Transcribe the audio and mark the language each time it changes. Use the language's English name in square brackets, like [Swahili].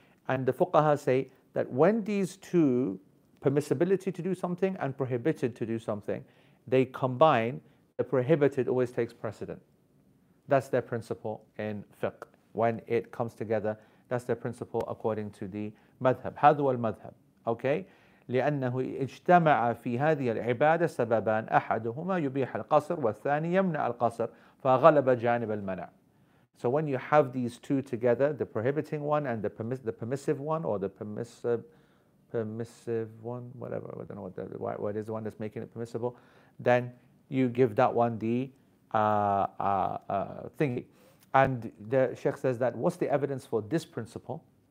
[English] And the fuqaha say that when these two, permissibility to do something and prohibited to do something, they combine, the prohibited always takes precedent. That's their principle in fiqh. When it comes together, that's their principle according to the madhab. [Arabic] هذا هو المذهب. [English] Okay? [Arabic] لأنه اجتمع في هذه العبادة سببان أحدهما يبيح القصر والثاني يمنع القصر فغلب جانب المنع. [English] So when you have these two together, the prohibiting one and the permissive one, I don't know what is the one that's making it permissible, then you give that one the thingy. And the Sheikh says that, what's the evidence for this principle?